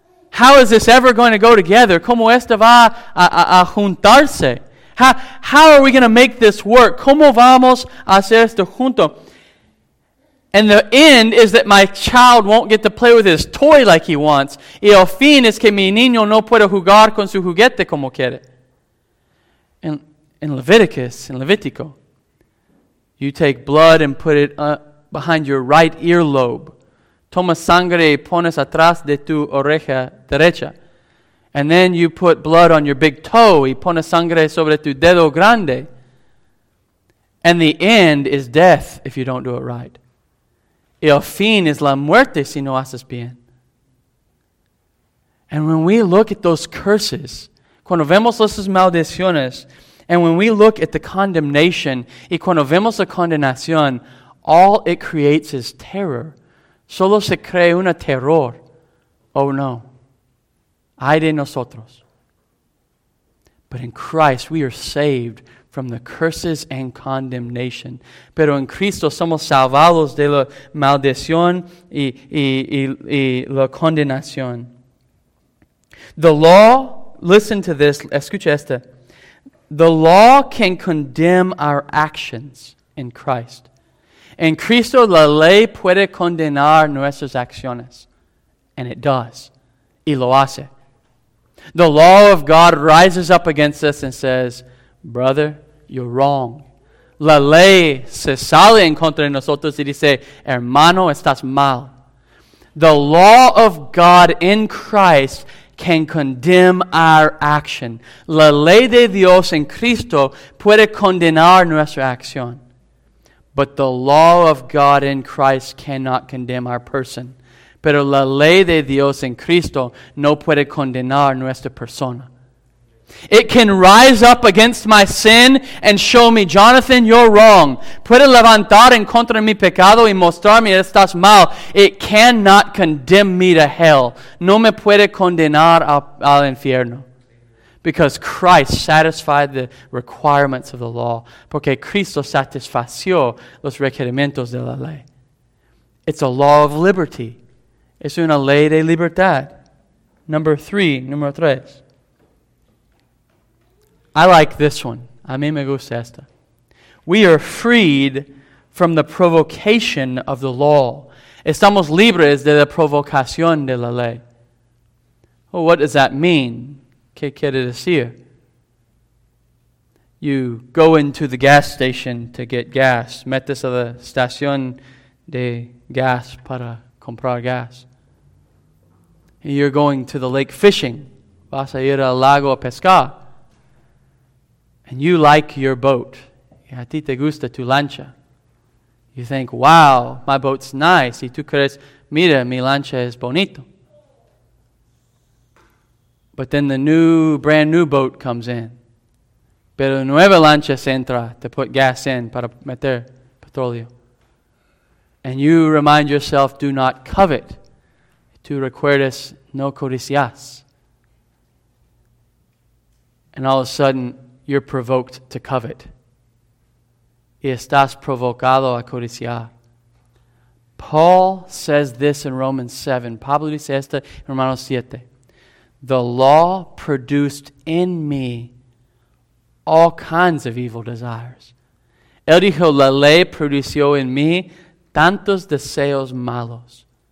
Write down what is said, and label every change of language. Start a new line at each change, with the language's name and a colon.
English: How is this ever going to go together?
Spanish: ¿Cómo esto va a juntarse?
English: How are we going to make this work?
Spanish: ¿Cómo vamos a hacer esto junto?
English: And the end is that my child won't get to play with his toy like he wants.
Spanish: Y el fin es que mi niño no puede jugar con su juguete como quiere.
English: In Levítico, you take blood and put it behind your right earlobe.
Spanish: Toma sangre y pones atrás de tu oreja derecha.
English: And then you put blood on your big toe
Spanish: y pones sangre sobre tu dedo grande.
English: And the end is death if you don't do it right.
Spanish: Y el fin es la muerte si no haces bien.
English: And when we look at those curses,
Spanish: cuando vemos esas maldiciones,
English: and when we look at the condemnation,
Spanish: y cuando vemos la condenación,
English: all it creates is terror.
Spanish: Solo se crea un terror.
English: Oh no.
Spanish: Ay de nosotros.
English: But in Christ, we are saved from the curses and condemnation.
Spanish: Pero en Cristo somos salvados de la maldición y la condenación.
English: The law, listen to this,
Spanish: escucha esta.
English: The law can condemn our actions in Christ.
Spanish: En Cristo la ley puede condenar nuestras acciones.
English: And it does.
Spanish: Y lo hace.
English: The law of God rises up against us and says, brother, you're wrong.
Spanish: La ley se sale en contra de nosotros y dice, hermano, estás mal.
English: The law of God in Christ can condemn our action.
Spanish: La ley de Dios en Cristo puede condenar nuestra acción.
English: But the law of God in Christ cannot condemn our person.
Spanish: Pero la ley de Dios en Cristo no puede condenar nuestra persona.
English: It can rise up against my sin and show me, Jonathan, you're wrong.
Spanish: Puede levantar en contra mi pecado y mostrarme estás mal.
English: It cannot condemn me to hell.
Spanish: No me puede condenar al infierno.
English: Because Christ satisfied the requirements of the law.
Spanish: Porque Cristo satisfació los requerimientos de la ley.
English: It's a law of liberty.
Spanish: Es una ley de libertad. Número tres.
English: I like this one.
Spanish: A mí me gusta esta.
English: We are freed from the provocation of the law.
Spanish: Estamos libres de la provocación de la ley.
English: Well, what does that mean?
Spanish: ¿Qué quiere decir?
English: You go into the gas station to get gas.
Spanish: Metes a la estación de gas para comprar gas.
English: You're going to the lake fishing.
Spanish: Vas a ir al lago a pescar.
English: And you like your boat.
Spanish: A ti te gusta tu lancha.
English: You think, wow, my boat's nice.
Spanish: Y tú crees, mira, mi lancha es bonito.
English: But then the new, brand new boat comes in.
Spanish: Pero nueva lancha se entra
English: to put gas in
Spanish: para meter petróleo.
English: And you remind yourself, do not covet.
Spanish: Tú recuerdas, no codicias.
English: And all of a sudden, you're provoked to covet.
Spanish: Y estás provocado a codiciar.
English: Paul says this in Romans 7.
Spanish: Pablo dice esto en Romanos 7.
English: The law produced in me all kinds of evil desires.
Spanish: Él dijo, la ley produció en mí tantos deseos malos.